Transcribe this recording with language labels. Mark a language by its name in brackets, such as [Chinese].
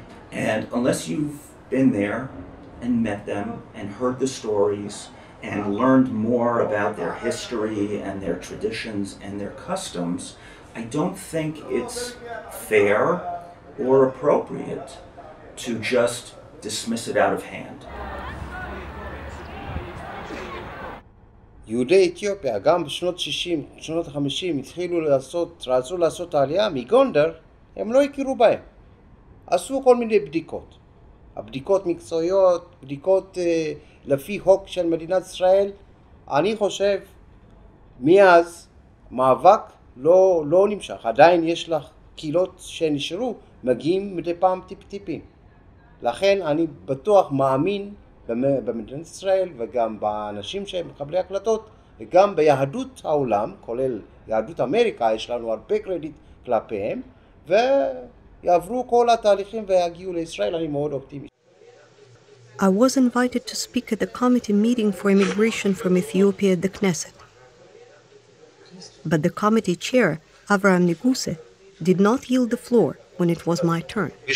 [English] And unless you've been there and met them and heard the stories and learned more about their history and their traditions and their customs, I don't think it's fair or appropriate to just dismiss it out of hand. [Hebrew] יהודי אתיופיה, גם בשנות 60, בשנות 50, התחילו לעשות, רצו לעשות עלייה מגונדר, הם לא הכירו בהם. עשו כל מיני בדיקות. הבדיקות מקצועיות, בדיקות לפי חוק של מדינת ישראל. אני חושב, מאז, מאבק לא נמשך. עדיין יש לך קהילות שנשארו, מגיעים מדי פעם טיפ-טיפים. לכן אני בטוח מאמין במדינת ישראל וגם באנשים שהם מקבלי הקלטות וגם ביהדות העולם, כולל יהדות אמריקה, יש לנו הרבה קרדיט כלפיהם ויעברו כל התהליכים ויגיעו לישראל, אני מאוד אופטימי. [English] I was invited to speak at the committee meeting for immigration from Ethiopia at the Knesset. But the committee chair Avraham Neguse, did not yield the floor when it was my turn.